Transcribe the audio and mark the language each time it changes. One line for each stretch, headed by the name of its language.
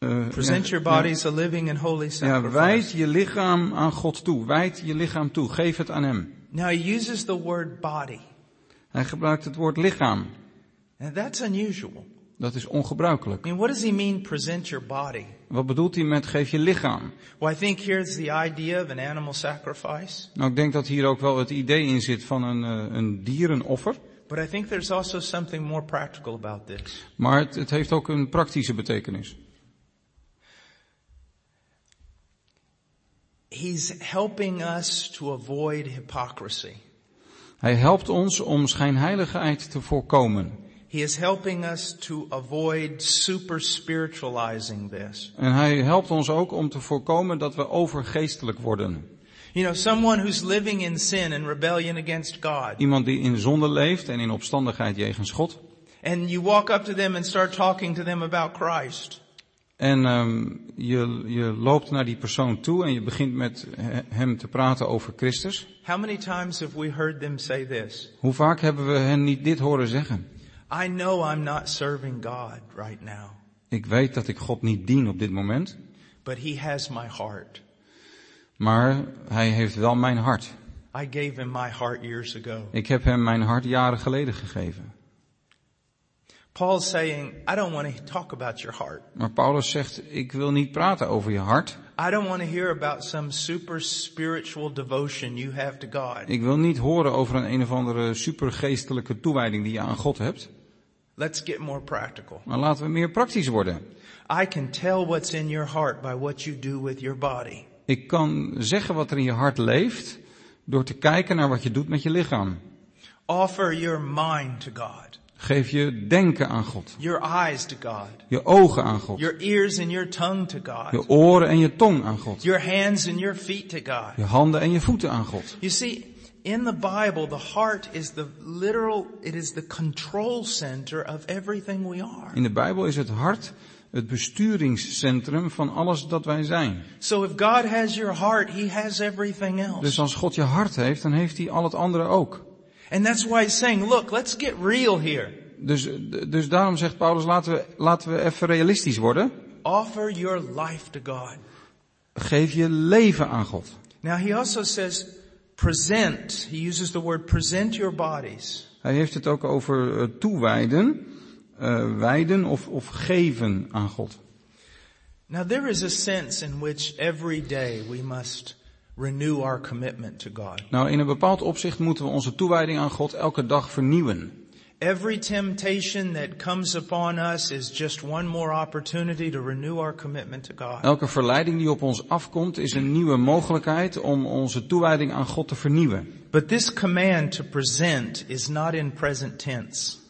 English: present your bodies a living and holy sacrifice.
Dutch: Ja, wijd je lichaam aan God toe. Wijd je lichaam toe. Geef het aan hem.
English: Now he uses the word body.
Dutch: Hij gebruikt het woord lichaam.
English: And that's unusual.
Dutch: Dat is ongebruikelijk.
English: I mean, what does he mean, present your body?
Dutch: Wat bedoelt hij met geef je lichaam?
English: Well, I think here's the idea of an animal sacrifice.
Dutch: Nou, ik denk dat hier ook wel het idee in zit van een dierenoffer.
English: But I think there's also something more practical about this.
Dutch: Maar het heeft ook een praktische betekenis.
English: He's helping us to avoid hypocrisy.
Dutch: Hij helpt ons om schijnheiligheid te voorkomen.
English: He is helping us to avoid super spiritualizing this.
Dutch: En hij helpt ons ook om te voorkomen dat we overgeestelijk worden.
English: You know, someone who's living in sin and rebellion against God.
Dutch: Iemand die in zonde leeft en in opstandigheid jegens God.
English: And you walk up to them and start talking to them about Christ.
Dutch: En je loopt naar die persoon toe en je begint met hem te praten over Christus.
English: How many times have we heard them say this?
Dutch: Hoe vaak hebben we hen niet dit horen zeggen?
English: I know I'm not serving God right now.
Dutch: Ik weet dat ik God niet dien op dit moment.
English: But he has my heart.
Dutch: Maar hij heeft wel mijn hart.
English: I gave him my heart years ago.
Dutch: Ik heb hem mijn hart jaren geleden gegeven.
English: Paul saying, I don't want to talk about your heart.
Dutch: Maar Paulus zegt, ik wil niet praten over je hart.
English: I don't want to hear about some super spiritual devotion you have to God.
Dutch: Ik wil niet horen over een of andere supergeestelijke toewijding die je aan God hebt.
English: Let's get more practical.
Dutch: Maar laten we meer praktisch worden.
English: I can tell what's in your heart by what you do with your body.
Dutch: Ik kan zeggen wat er in je hart leeft door te kijken naar wat je doet met je lichaam.
English: Offer your mind to God.
Dutch: Geef je denken aan God.
English: Your eyes to God.
Dutch: Je ogen aan God.
English: Your ears and your tongue to God.
Dutch: Je oren en je tong aan God.
English: Your hands and your feet to God.
Dutch: Je handen en je voeten aan God.
English: You see, in the Bible, the heart is the literal, it is the control center of everything we are.
Dutch: In de Bijbel is het hart het besturingscentrum van alles dat wij zijn.
English: So if God has your heart, he has everything else.
Dutch: Dus als God je hart heeft, dan heeft hij al het andere ook.
English: And that's why he's saying, look, let's get real here.
Dutch: Dus daarom zegt Paulus, laten we even realistisch worden.
English: Offer your life to God.
Dutch: Geef je leven aan God.
English: Now he also says, present. He uses the word present your bodies.
Dutch: Hij heeft het ook over toewijden, wijden of geven aan God.
English: Now there is a sense in which every day we must renew our commitment to God.
Dutch: Nou, in een bepaald opzicht moeten we onze toewijding aan God elke dag vernieuwen.
English: Every temptation that comes upon us is just one more opportunity to renew our commitment to God.
Dutch: Elke verleiding die op ons afkomt is een nieuwe mogelijkheid om onze toewijding aan God te vernieuwen.
English: But this command to present is not in present tense.